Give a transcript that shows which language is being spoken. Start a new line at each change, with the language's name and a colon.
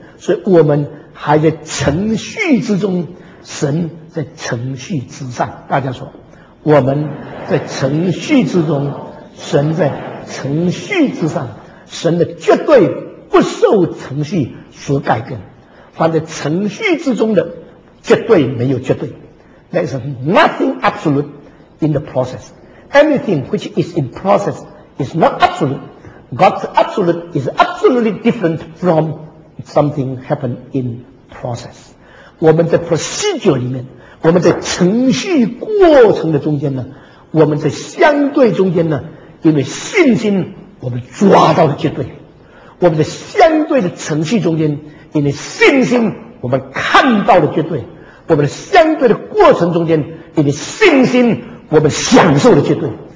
Chinese: 所以我们还在程序之中，神在程序之上。大家说，我们在程序之中，神在程序之上。神的绝对不受程序所改变，凡在程序之中的绝对没有绝对。
English: There is nothing absolute in the process. Anything which is in process is not absolute. God's absolute is absolutely different from something happened in process.
Chinese: 我们在 procedure 里面，我们在程序过程的中间呢，我们在相对中间呢，因为信心我们抓到了绝对，我们在相对的程序中间，因为信心我们看到了绝对，我们的相对的过程中间，因为信心我们享受了绝对。